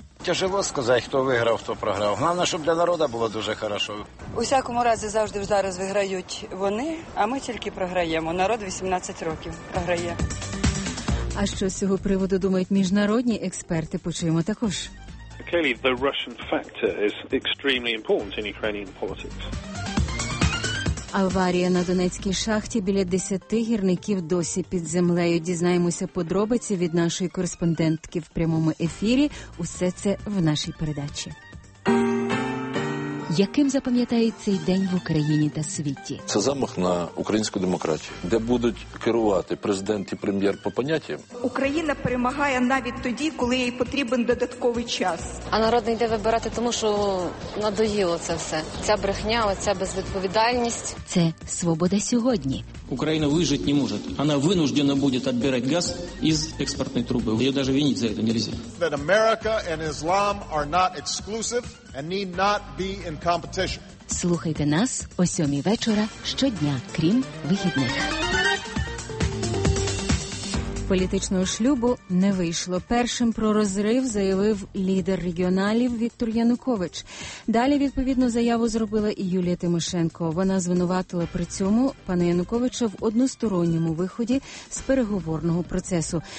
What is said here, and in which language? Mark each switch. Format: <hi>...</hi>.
<uk>Тяжело сказати, хто виграв, хто програв. Головне, щоб для народу було дуже хорошо. У всякому разі завжди зараз виграють вони, а ми тільки програємо. Народ 18 років програє. А що з цього приводу думають міжнародні експерти, почуємо також.</uk> <en>Clearly, the Russian factor is extremely important in Ukrainian politics.</en> <uk>Аварія на Донецькій шахті біля 10 гірників досі під землею. Дізнаємося подробиці від нашої кореспондентки в прямому ефірі. Усе це в нашій передачі. Яким запам'ятають цей день в Україні та світі? Це замах на українську демократію, де будуть керувати президент і прем'єр по поняттям. Україна перемагає навіть тоді, коли їй потрібен додатковий час. А народ не йде вибирати, тому що надоїло це все. Ця брехня, оця безвідповідальність. Це свобода сьогодні. Україна вижити не може. Вона винуждена буде відбирати газ із експортної труби. Її навіть винити за це не можна.</uk> <en>That America and Islam are not exclusive and need not be in competition.</en> <uk>Слухайте нас о 7 вечора щодня, крім вихідних. Політичного шлюбу не вийшло. Першим про розрив заявив лідер регіоналів Віктор Янукович. Далі відповідну заяву зробила і Юлія Тимошенко. Вона звинуватила при цьому пана Януковича в односторонньому виході з переговорного процесу.</uk>